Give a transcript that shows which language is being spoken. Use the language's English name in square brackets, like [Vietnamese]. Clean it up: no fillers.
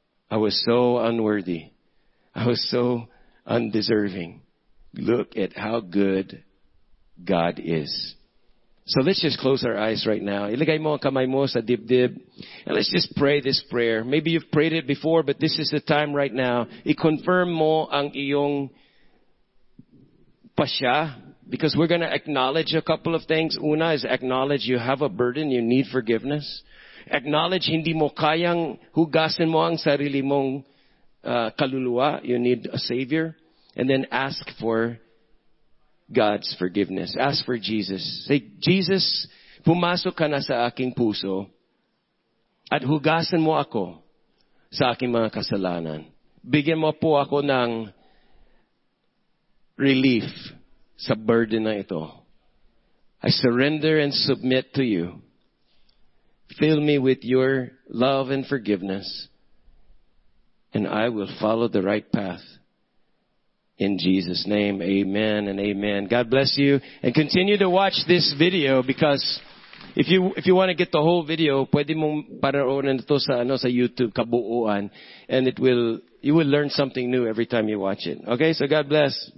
[English] I was so unworthy. I was so undeserving. Look at how good God is. So let's just close our eyes right now. [Filipino] Ilagay mo ang kamay mo sa dibdib. [English] And let's just pray this prayer. Maybe you've prayed it before, but this is the time right now. [Filipino] I-confirm mo ang iyong pasya. [English] Because we're going to acknowledge a couple of things. Una is acknowledge you have a burden, you need forgiveness. [Filipino] Acknowledge hindi mo kayang hugasin mo ang sarili mong kaluluwa. [English] You need a Savior. And then ask for God's forgiveness. Ask for Jesus. [Filipino] Say, Jesus, pumasok ka na sa aking puso at hugasin mo ako sa aking mga kasalanan. Bigyan mo po ako ng relief sa burden na ito. [English] I surrender and submit to you. Fill me with your love and forgiveness, and I will follow the right path. In Jesus' name, amen and amen. God bless you. And continue to watch this video, because if you want to get the whole video, [Filipino] pwede mong panoorin ito sa YouTube kabuuan. [English] And you will learn something new every time you watch it. Okay, so God bless.